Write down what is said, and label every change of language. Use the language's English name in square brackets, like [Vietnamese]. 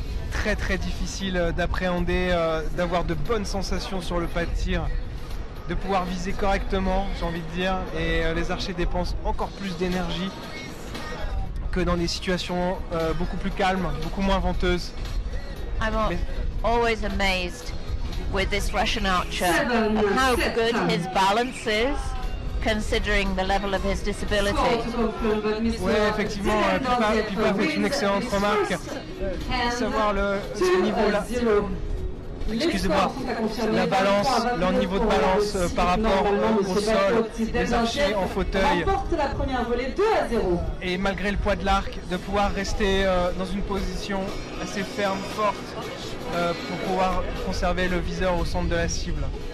[French] Très très difficile d'appréhender, d'avoir de bonnes sensations sur le pas de tir, de pouvoir viser correctement, j'ai envie de dire, et les archers dépensent encore plus d'énergie que dans des situations beaucoup plus calmes, beaucoup moins venteuses. [English] Always amazed with this Russian archer at how good his balance is, considering the level of his disability. [French] Ouais, effectivement, Pippa fait une excellente remarque. Savoir le niveau là, excusez-moi, la balance, leur niveau de balance par rapport au sol, les archers en fauteuil. La première volée 2-0. Et malgré le poids de l'arc, de pouvoir rester dans une position assez ferme, forte, pour pouvoir conserver le viseur au centre de la cible.